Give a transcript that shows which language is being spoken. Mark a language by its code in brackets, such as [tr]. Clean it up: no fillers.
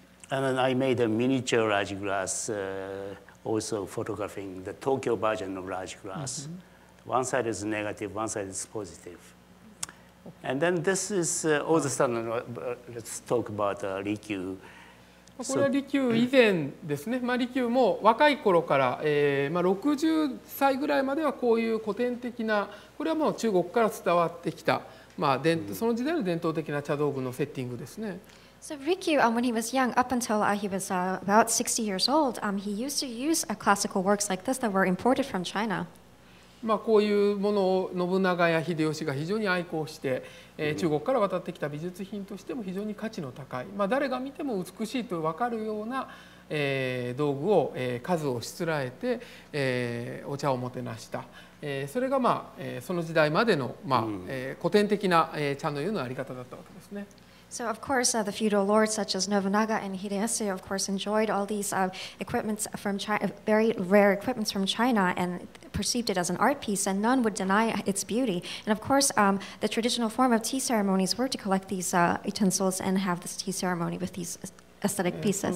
[en] And then I made a miniature Raj glass, also photographing the Tokyo version of Raj glass. Mm-hmm. One side is negative, one side is positive. And then this is all of a sudden, let's talk about Rikyu. [ja] これは利休以前ですね。まあ、利休も若い頃から、まあ、60歳ぐらいまではこういう古典的な、これはもう中国から伝わってきた、まあ、その時代の伝統的な茶道具のセッティングですね。 [en] So Rikyu, when he was young, up until he was about 60 years old, he used to use a classical works like this that were imported from China. [ja] まあ、こういうものを信長や秀吉が非常に愛好して、中国から渡ってきた美術品としても非常に価値の高い、まあ、誰が見ても美しいと分かるような、道具を、数をしつらえて、お茶をもてなした、それが、まあその時代までの、まあ古典的な、茶の湯のあり方だったわけですね。 [en] So of course, the feudal lords such as Nobunaga and Hideyoshi, of course, enjoyed all these equipments from China, very rare equipments from China, and perceived it as an art piece, and none would deny its beauty. And of course, the traditional form of tea ceremonies were to collect these utensils and have this tea ceremony with these aesthetic pieces.